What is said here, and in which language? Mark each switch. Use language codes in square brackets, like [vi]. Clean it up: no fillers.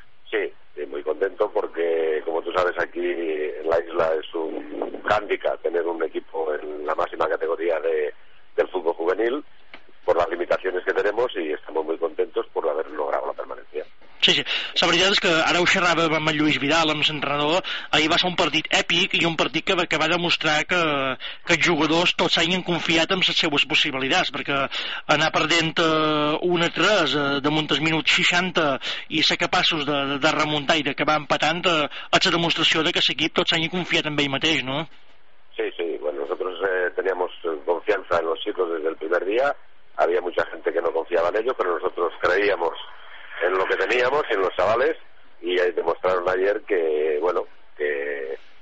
[es] Sí, sí, muy contento porque, como tú sabes, aquí en la isla es un hándicap tener un equipo en la máxima categoría del fútbol juvenil por las limitaciones que tenemos y estamos muy contentos por haber logrado la permanencia. Sí, sí. [ca] La veritat és que ara ho xerràvem amb en Lluís Vidal, amb l'entrenador. Ahir va ser un partit èpic i un partit que va demostrar que els jugadors tots s'hagin confiat en les seues possibilitats, perquè anar perdent 1-3 damunt els minuts 60 i ser capaços de remuntar i d'acabar empatant és la demostració de que l'equip tots s'hagin confiat en ell mateix, no? [es] Sí, sí. Bueno, nosotros teníamos confianza en los chicos desde el primer día. Había mucha gente que no confiaba en ellos, pero nosotros creíamos en lo que teníamos, en los chavales, y demostraron ayer que, bueno, que